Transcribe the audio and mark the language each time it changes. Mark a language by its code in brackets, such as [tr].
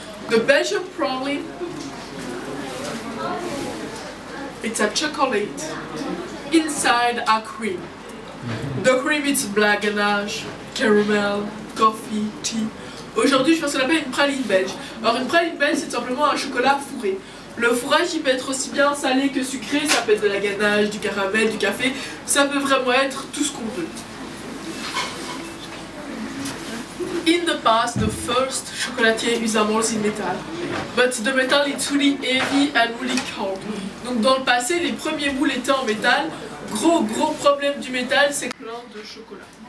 [en] The Belgian probably it's a chocolate inside a cream. The cream is black ganache, caramel, coffee, tea. [fr] Aujourd'hui, je pense qu'on appelle une praline belge. Alors, une praline belge, c'est simplement un chocolat fourré. Le fourrage, il peut être aussi bien salé que sucré. Ça peut être de la ganache, du caramel, du café. Ça peut vraiment être tout ce qu'on veut. [en] In the past, the first chocolatier used a molds in metal. But the metal is really heavy and really cold. [fr] Donc, dans le passé, les premiers moules étaient en métal. Gros, gros problème du métal, c'est que l'or de chocolat.